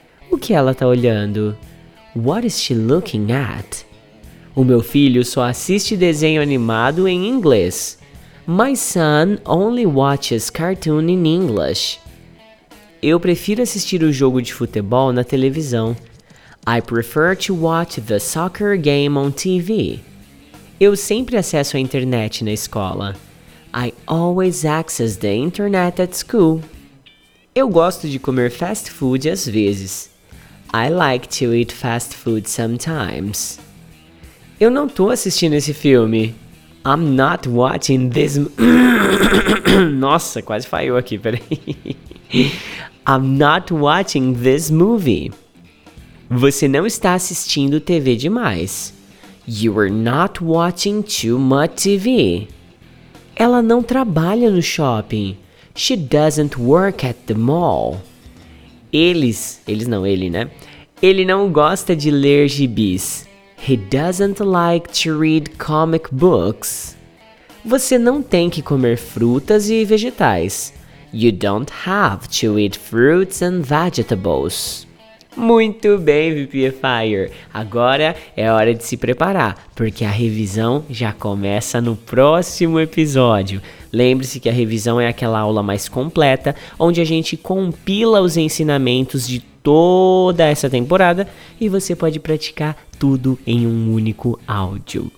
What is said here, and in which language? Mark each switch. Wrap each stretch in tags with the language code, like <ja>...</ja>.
<pt>O que ela está olhando?</pt> <en>What is she looking at?</en> <pt>O meu filho só assiste desenho animado em inglês.</pt> <en>My son only watches cartoon in English.</en> <pt>Eu prefiro assistir o jogo de futebol na televisão.</pt> <en>I prefer to watch the soccer game on TV.</en> <pt>Eu sempre acesso a internet na escola.</pt> <en>I always access the internet at school.</en> <pt>Eu gosto de comer fast food às vezes.</pt> <en>I like to eat fast food sometimes.</en> <pt>Eu não tô assistindo esse filme.</pt> <en>I'm not watching this...</en> <pt>Nossa, quase falhou aqui, peraí.</pt> <en>I'm not watching this movie.</en> <pt>Você não está assistindo TV demais.</pt> <en>You are not watching too much TV.</en> <pt>Ela não trabalha no shopping.</pt> <en>She doesn't work at the mall.</en> <pt>Ele não gosta de ler gibis.</pt> <en>He doesn't like to read comic books.</en> <pt>Você não tem que comer frutas e vegetais.</pt> <en>You don't have to eat fruits and vegetables.</en> <pt>Muito bem, VPFire. Agora é hora de se preparar, porque a revisão já começa no próximo episódio. Lembre-se que a revisão é aquela aula mais completa, onde a gente compila os ensinamentos de toda essa temporada e você pode praticar tudo em um único áudio.</pt>